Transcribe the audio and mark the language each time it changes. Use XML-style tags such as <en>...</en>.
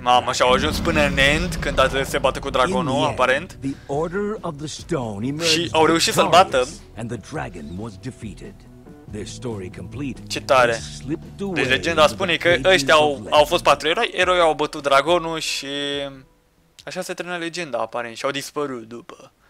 <ro>Mamă, și-au ajuns până în End, când a trebuit să se bată cu dragonul, aparent.</ro> <en>The Order of the Stone emerged.</en> <ro>Și au reușit să-l bată.</ro> <en>And the dragon was defeated. This story complete.</en> <ro>Ce tare. Deci legenda spune că ăștia au fost patru eroi, eroii au bătut dragonul și așa se termină legenda, aparent, și au dispărut după.</ro>